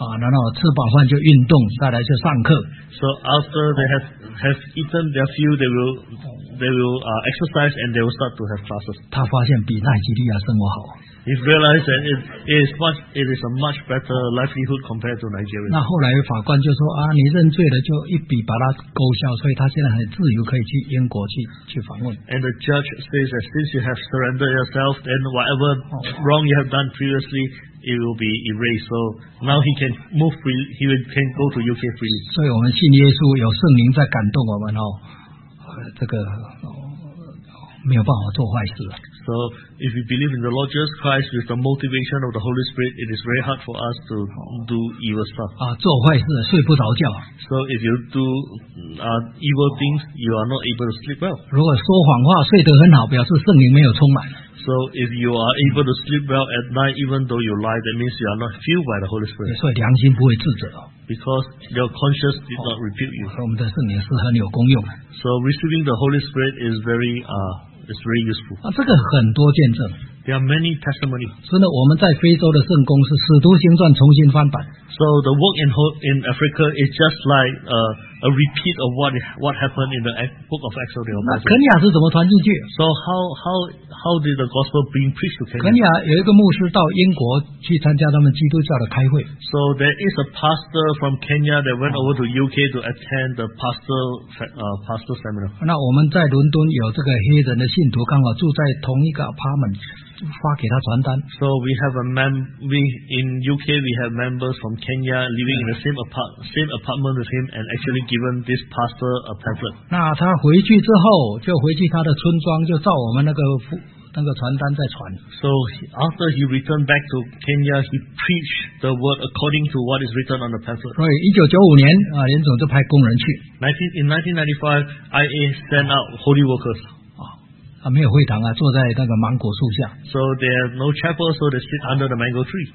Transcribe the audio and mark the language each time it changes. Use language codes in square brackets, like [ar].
[zh] 然后吃饱饭就运动，再来就上课。 [en] So after they have eaten their fuel, they will exercise and they will start to have classes. [zh] 他发现比奈及利亚生活好。 [en] He realized that it is a much better livelihood compared to Nigeria. [zh] 那后来法官就说你认罪了，就一笔把他勾销，所以他现在很自由，可以去英国去访问。 [en] And the judge says that since you have surrendered yourself, then whatever wrong you have done previously, it will be erased. So now he can move freely. He can go to UK freely. [zh] 所以我们信耶稣，有圣灵在感动我们这个没有办法做坏事。 [en] So if we believe in the Lord Jesus Christ with the motivation of the Holy Spirit, it is very hard for us to do evil stuff. [zh] 做坏事睡不着觉。 [en] So if you do evil things, you are not able to sleep well. [zh] 如果说谎话睡得很好，表示圣灵没有充满。 [en] So if you are able to sleep well at night, even though you lie, that means you are not filled by the Holy Spirit. [zh] 所以良心不会自责。 [en] Because your conscience did not rebuke you. [zh] 我们的圣灵是很有功用。 [en] So receiving the Holy Spirit is very It's very useful. [zh] 这个很多见证。 [en] There are many testimonies. [zh] 真的，我们在非洲的圣公是《使徒行传》重新翻版。 [en] So the work in Africa is just like a repeat of what happened in the book of Exodus. [zh] 那肯尼亚是怎么传进去 [en] ？So how did the gospel being preached to Kenya? [zh] 肯尼亚有一个牧师到英国去参加他们基督教的开会。 [en] So there is a pastor from Kenya that went over to UK to attend the pastor seminar. [zh] 那我们在伦敦有这个黑人的信徒刚好住在同一个 apartment。发给他传单。 [en] So we have in UK we have members from Kenya living in the same apartment with him and actually given this pastor a pamphlet. [zh] 那他回去之后就回去他的村庄就照我们那个传单在传。 [en] So after he returned back to Kenya, he preached the word according to what is written on the pamphlet. [zh] 所以1995年啊，联总就派工人去。 [en] 1995 IA sent out holy workers. [zh] 啊、没有会堂啊，坐在那个芒果树下。 [en] So there is no chapel, so they sit under the mango tree.